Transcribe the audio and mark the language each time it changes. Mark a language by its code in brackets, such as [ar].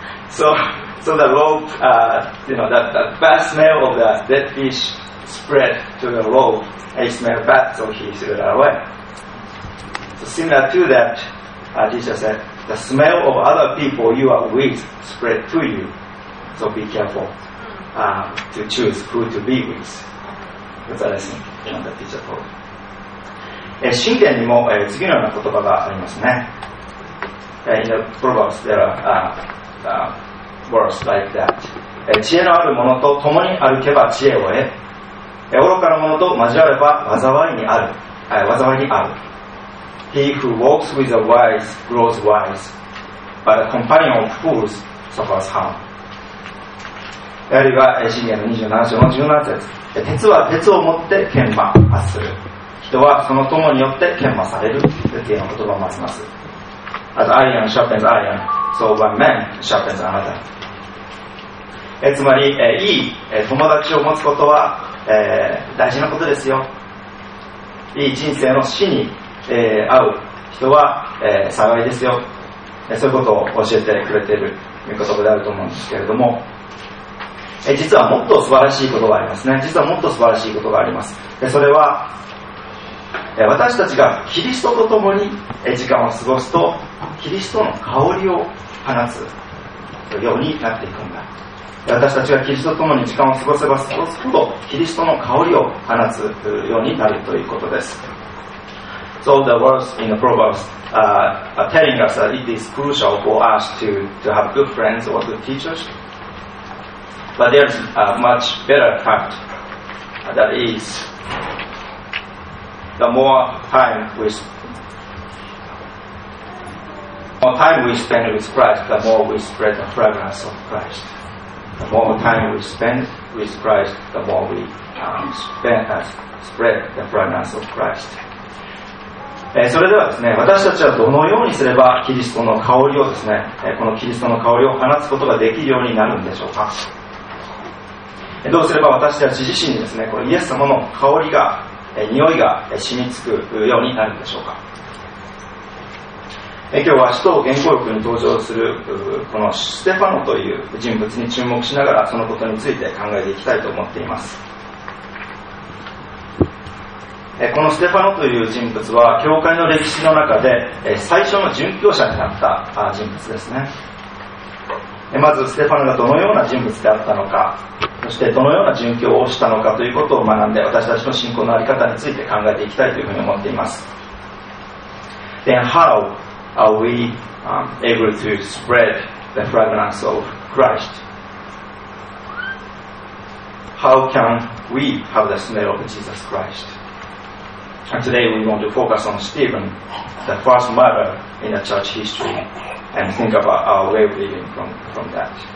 [en] So the rope, that bad smell of the dead fish spread to the rope, and it smelled bad, so he threw it away. So similar to that, Jesus said,The smell of other people you are with spread to you. So be careful to choose who to be with. That's a lesson from the teacher told. [ja] 箴言にも次のような言葉がありますね。 [en] In the Proverbs, there are words like that. [ja] 知恵のある者と共に歩けば知恵を得。愚かな者と交われば災いにある。災いにある。 [en] He who walks with the wise grows wise, but a companion of fools suffers harm. [ja] あるいは箴言の27章の17節。鉄は鉄をもって研磨発する。人はその友によって研磨される。という言葉もあります。 [en] As iron sharpens iron, so one man sharpens another. [ja] つまり、いい友達を持つことは大事なことですよ。いい人生の死に会う人は幸いですよ。そういうことを教えてくれている御言葉であると思うんですけれども、実はもっと素晴らしいことがありますね。実はもっと素晴らしいことがあります。それは私たちがキリストと共に時間を過ごすとキリストの香りを放つようになっていくんだ。私たちがキリストと共に時間を過ごせば過ごすほどキリストの香りを放つようになるということです。 [en] So the words in the Proverbs are telling us that it is crucial for us to have good friends or good teachers. But there's a much better fact, that is, the more time we spend with Christ, the more we spread the fragrance of Christ. The more time we spend with Christ, the more we spread the fragrance of Christ. [ja] それではですね、私たちはどのようにすればキリストの香りをですね、このキリストの香りを放つことができるようになるんでしょうか。どうすれば私たち自身にですね、このイエス様の香りが、匂いが染みつくようになるんでしょうか。今日は使徒言語録に登場するこのステファノという人物に注目しながら、そのことについて考えていきたいと思っています。このステファノという人物は教会の歴史の中で最初の殉教者になった人物ですね。まずステファノがどのような人物であったのか、そしてどのような殉教をしたのかということを学んで、私たちの信仰のあり方について考えていきたいというふうに思っています。 [en] Then how are we able to spread the fragrance of Christ? How can we have the smell of Jesus Christ? And today we want to focus on Stephen, the first martyr in the church history, and think about our way of living from that.